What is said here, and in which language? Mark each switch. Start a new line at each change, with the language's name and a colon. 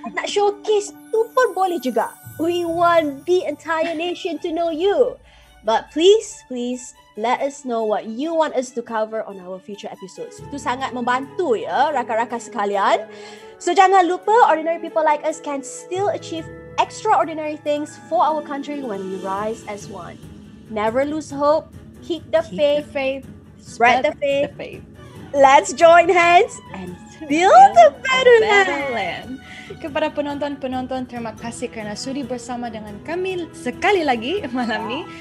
Malay: Nak showcase tu pun boleh juga.
English: We want the entire nation to know you. But please, please let us know what you want us to cover on our future episodes.
Malay: Itu sangat membantu ya, rakan-rakan sekalian.
English: So jangan lupa, ordinary people like us can still achieve extraordinary things for our country when we rise as one. Never lose hope. Keep the faith. Spread the faith. Let's join hands and build a better land.
Malay: Kepada penonton-penonton, terima kasih kerana sudi bersama dengan kami sekali lagi malam ni.